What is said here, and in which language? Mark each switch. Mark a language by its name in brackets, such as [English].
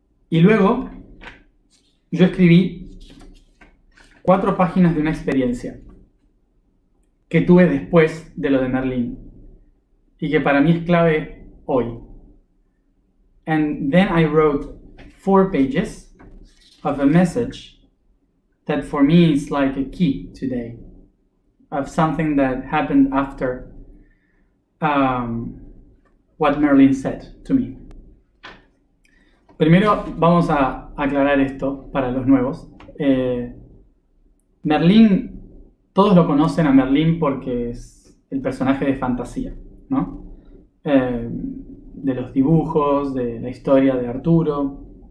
[Spanish] Y luego yo escribí 4 páginas de una experiencia que tuve después de lo de Merlín y que para mí es clave hoy. [English] And then I wrote 4 pages of a message that for me is like a key today of something that happened after what Merlin said to me. [Spanish] Primero vamos a aclarar esto para los nuevos. Merlin, todos lo conocen a Merlin porque es el personaje de fantasía, ¿no? De los dibujos, de la historia de Arturo.